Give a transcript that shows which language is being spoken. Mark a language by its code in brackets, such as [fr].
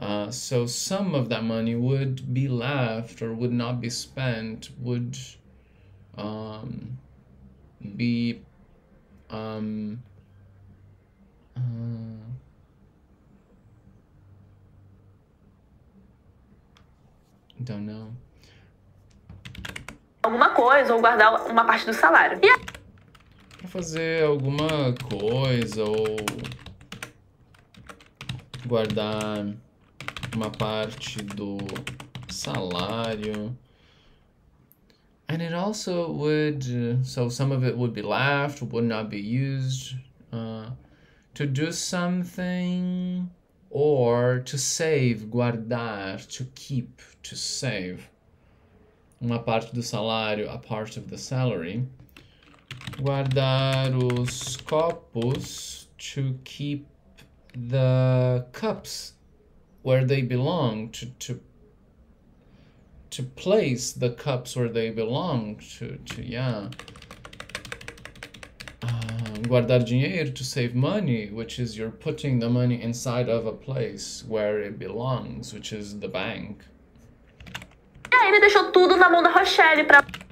[en] So some of that money would be left or would not be spent, would be don't know. [pt] Alguma coisa, ou guardar uma parte do salário. Pra fazer alguma coisa, ou guardar uma parte do salário. [en] And it also would, so some of it would be left, would not be used, to do something or to save, guardar, to keep, to save. [pt] Uma parte do salário, [en] a part of the salary. [pt] Guardar os copos, [en] to keep the cups where they belong, to place the cups where they belong, [pt] guardar dinheiro, [en] to save money, which is you're putting the money inside of a place where it belongs, which is the bank. [pt] E aí ele deixou tudo na mão da Rochelle pra...